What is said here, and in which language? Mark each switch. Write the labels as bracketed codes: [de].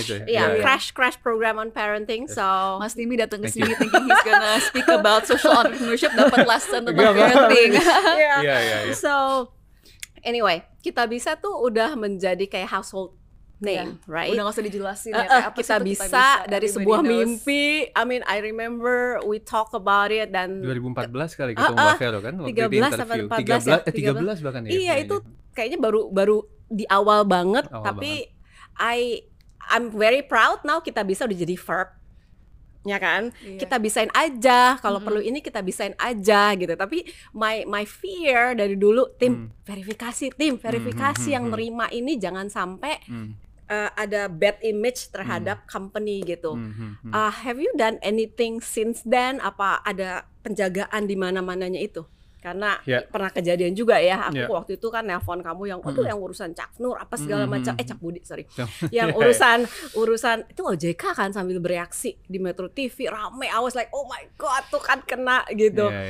[en] itu ya, crash program on parenting. So Mas Timmy [id] datang ke sini [en] thinking he's gonna speak about social entrepreneurship, dapat lesson tentang parenting. So anyway, [id] kita bisa tuh udah menjadi kayak household name, right? Udah gak usah dijelasin ya, apa kita, sih bisa, kita bisa dari sebuah knows. Mimpi. [en] I mean, I remember we talk about it dan [id] 2014 kali ketemu Mbak Vero kan, waktu 13 di interview. 13 ya? 13 bahkan ya. Iya, itu kayaknya baru di awal banget, tapi [en] I'm very proud now [id] kita bisa udah jadi verb. Ya kan, kita bisain aja kalau perlu, ini kita bisain aja gitu. Tapi my fear dari dulu tim verifikasi yang nerima ini jangan sampai ada bad image terhadap company gitu. [en] Have you done anything since then? [id] Apa ada penjagaan di mana-mananya itu? Karena pernah kejadian juga ya, aku waktu itu kan nelpon kamu yang itu yang urusan Cak Nur apa segala macam, Cak Budi sorry, yang urusan itu OJK kan, sambil bereaksi di Metro TV rame, [en] I was like oh my god [id] tuh kan kena gitu.